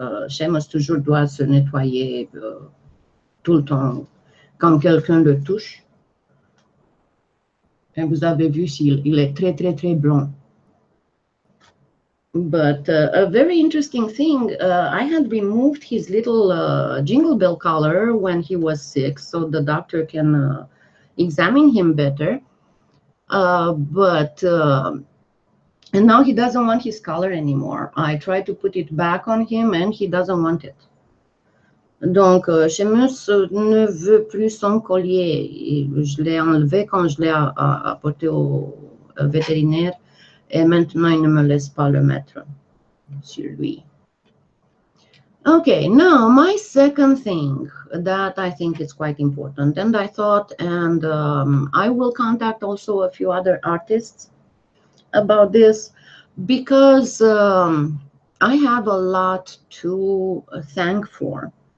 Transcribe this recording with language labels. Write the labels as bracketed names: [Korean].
[French] Seamus toujours doit se nettoyer tout le temps quand quelqu'un le touche. Et vous avez vu, il est très, très, très blanc. [English] But a very interesting thing, I had removed his little jingle bell collar when he was six so the doctor can examine him better. And now he doesn't want his collar anymore. I tried to put it back on him and he doesn't want it. [French] Donc, Seamus ne veut plus son collier. Je l'ai enlevé quand je l'ai apporté au vétérinaire. Et maintenant, il ne me laisse pas le mettre sur lui. [English] Okay, now my second thing that I think is quite important, and I thought, and I will contact also a few other artists about this, because I have a lot to thank for.